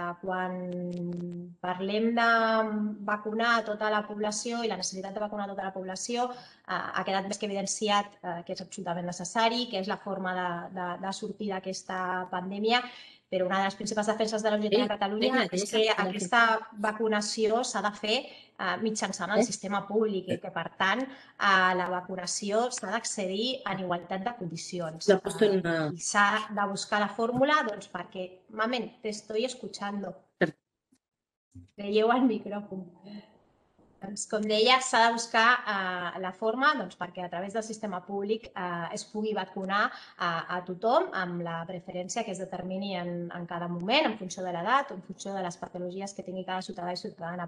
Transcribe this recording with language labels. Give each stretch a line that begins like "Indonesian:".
Catalan: Quan parlem de vacunar tota la població i la necessitat de vacunar tota la població, ha quedat més que evidenciat que és absolutament necessari, que és la forma de sortir d'aquesta pandèmia, però una de les principals defenses de la Unió de Catalunya és que aquesta vacunació s'ha de fer mitjançant el sistema públic i que, per tant, la vacunació s'ha d'accedir en igualtat de condicions. S'ha de buscar la fórmula doncs, perquè...
Spanish: Mamen, te estoy escuchando. Le llevo al micrófono.
Catalan: Doncs, com deia, s'ha de buscar la forma doncs, perquè a través del sistema públic es pugui vacunar a tothom amb la preferència que es determini en cada moment, en funció de l'edat, en funció de les patologies que tingui cada ciutadà i ciutadana.